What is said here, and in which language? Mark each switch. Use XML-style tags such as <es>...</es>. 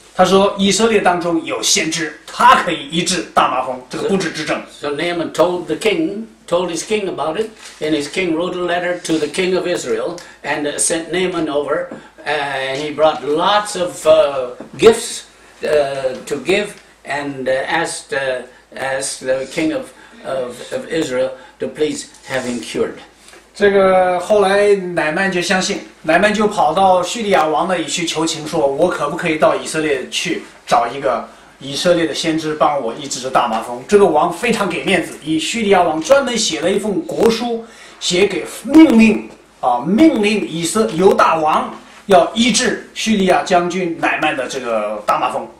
<zh>他说以色列当中有先知，他可以医治大麻风这个不治之症。</zh> <en>So Naaman told his king about it, and his king wrote a letter to the king of Israel and sent Naaman over, and he brought lots of gifts to give. And asked the king of Israel to please have him cured.</en> <zh>这个后来乃曼就相信，乃曼就跑到叙利亚王那里去求情，说我可不可以到以色列去找一个以色列的先知帮我医治大麻风？这个王非常给面子，以叙利亚王专门写了一封国书，写给命令犹大王要医治叙利亚将军乃曼的这个大麻风。</zh>